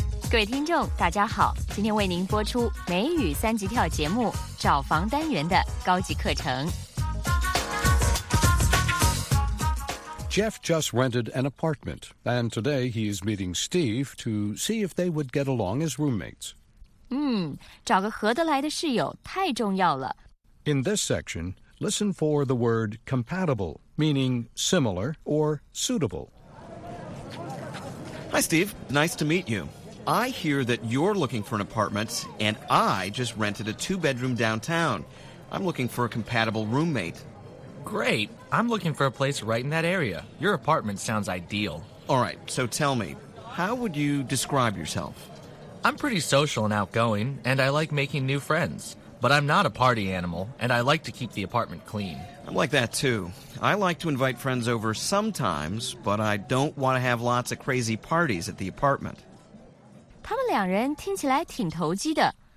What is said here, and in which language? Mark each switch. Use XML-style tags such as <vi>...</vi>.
<zh>各位听众大家好，今天为您播出梅雨三级跳节目找房单元的高级课程。</zh> <en>Jeff just rented an apartment, and today he is meeting Steve to see if they would get along as roommates.</en> <zh>找个合得来的室友太重要了。</zh> <en>In this section, listen for the word compatible, meaning similar or suitable. Hi, Steve. Nice to meet you. I hear that you're looking for an apartment, and I just rented a two-bedroom downtown. I'm looking for a compatible roommate. Great. I'm looking for a place right in that area. Your apartment sounds ideal. All right, so tell me, how would you describe yourself? I'm pretty social and outgoing, and I like making new friends. But I'm not a party animal, and I like to keep the apartment clean. I'm like that, too. I like to invite friends over sometimes, but I don't want to have lots of crazy parties at the apartment.</en> <zh>他们两人听起来挺投机的。</zh>